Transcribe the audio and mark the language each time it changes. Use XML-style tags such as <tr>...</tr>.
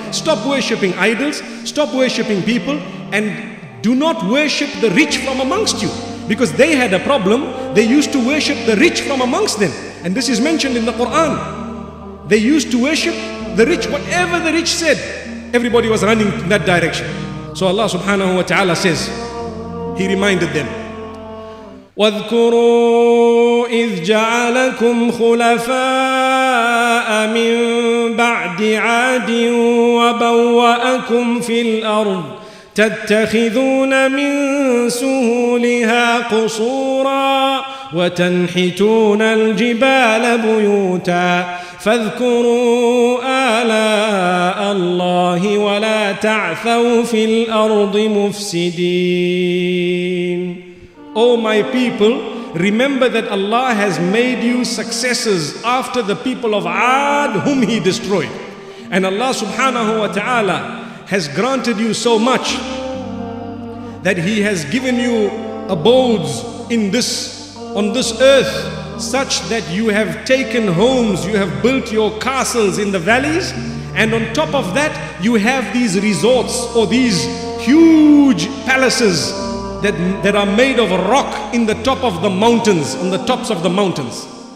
<en>Stop worshiping idols. Stop worshiping people. And do not worship the rich from amongst you. Because they had a problem. They used to worship the rich from amongst them. And this is mentioned in the Quran. They used to worship the rich. Whatever the rich said, everybody was running in that direction. So Allah subhanahu wa ta'ala says, he reminded them,</en> <ar>وَاذْكُرُوا إِذْ جَعَلَكُمْ خُلَفَاءَ مِنْ بَعْدِ عَادٍ وَبَوَّأَكُمْ فِي الْأَرْضِ تتخذون من سهولها قصورا وتنحتون الجبال بيوتا فاذكروا آلاء الله ولا تعثوا في الأرض مفسدين.</ar> <en>Oh my people, remember that Allah has made you successors after the people of Aad whom he destroyed. And Allah subhanahu wa ta'ala has granted you so much that he has given you abodes in this, on this earth, such that you have taken homes, you have built your castles in the valleys, and on top of that you have these resorts or these huge palaces that are made of rock in the top of the mountains, on the tops of the mountains.</en>